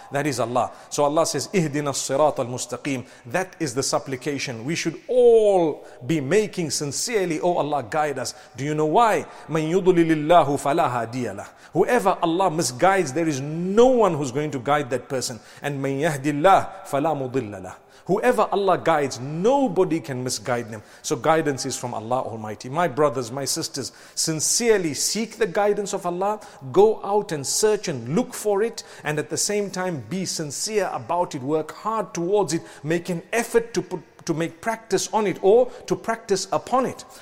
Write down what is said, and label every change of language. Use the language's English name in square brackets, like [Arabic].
[English] That is Allah. So Allah says, [Arabic] اِهْدِنَا الصِّرَاطَ الْمُسْتَقِيمِ. [English] That is the supplication we should all be making sincerely. Oh Allah, guide us. Do you know why? [Arabic] مَنْ يُضُلِلِ اللَّهُ فَلَا هَادِيَ لَهُ. [English] Whoever Allah misguides, there is no one who's going to guide that person. And [Arabic] مَنْ يَهْدِ اللَّهُ فَلَا مُضِلَّ لَهُ. [English] Whoever Allah guides, nobody can misguide them. So guidance is from Allah Almighty. My brothers, my sisters, sincerely seek the guidance of Allah. Go out and search and look for it. And at the same time, be sincere about it. Work hard towards it. Make an effort to make practice on it or to practice upon it.